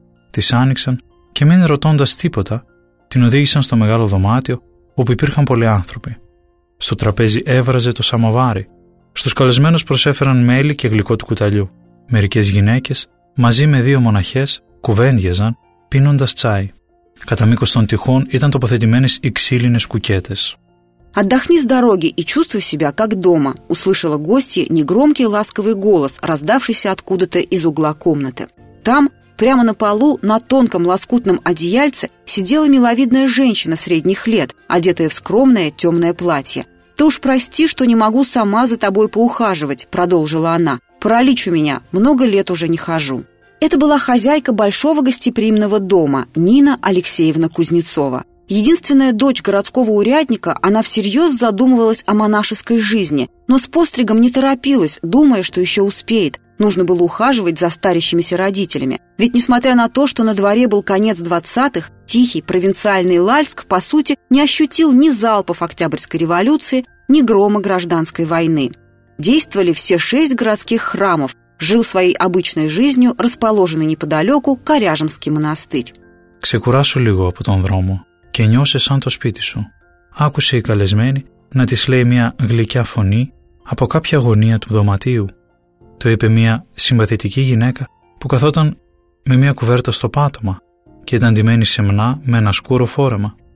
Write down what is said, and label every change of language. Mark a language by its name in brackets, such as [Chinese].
[Greek] Της άνοιξαν και μην ρωτώντας τίποτα, την οδήγησαν στο μεγάλο δωμάτιο όπου υπήρχαν πολλοί άνθρωποι. Στο τραπέζι έβραζε το σαμοβάρι. Στους καλεσμένους προσέφεραν μέλι και γλυκό του κουταλιού. Μερικές γυναίκες, μαζί με δύο μοναχές, κουβέντιαζαν, πίνοντας τσάι. Κατά μήκος των τυχών ήταν τοποθετημένες οι ξύλινες κουκέτες. [Russian] «Отдохни с дороги и чувствуй себя как дома», — услышала гостья негромкий ласковый голос, раздавшийся откуда-то из угла комнаты. Там, прямо на полу, на тонком лоскутном одеяльце, сидела миловидная женщина средних лет, одетая в скромное темное платье. «Ты уж прости, что не могу сама за тобой поухаживать», — продолжила она. «Паралич у меня, много лет уже не хожу». Это была хозяйка большого гостеприимного дома, Нина Алексеевна Кузнецова. Единственная дочь городского урядника, она всерьез задумывалась о монашеской жизни, но с постригом не торопилась, думая, что еще успеет. Нужно было ухаживать за старящимися родителями. Ведь, несмотря на то, что на дворе был конец 20-х, тихий провинциальный Лальск, по сути, не ощутил ни залпов Октябрьской революции, ни грома гражданской войны. Действовали все 6 городских храмов. Жил своей обычной жизнью расположенный неподалеку Коряжемский монастырь. [Greek] «Ксекурашу лиго по тон дрому, кенёсе сан то спитису. άκουσε η καλεσμένη να της λέει μια γλυκιά φωνή από κάποια γωνία του δωματίου. Το είπε μια συμπαθητική γυναίκα που καθόταν με μια κουβέρτα στο πάτωμα και ήταν ντυμένη σεμνά με ένα σκούρο φόρεμα.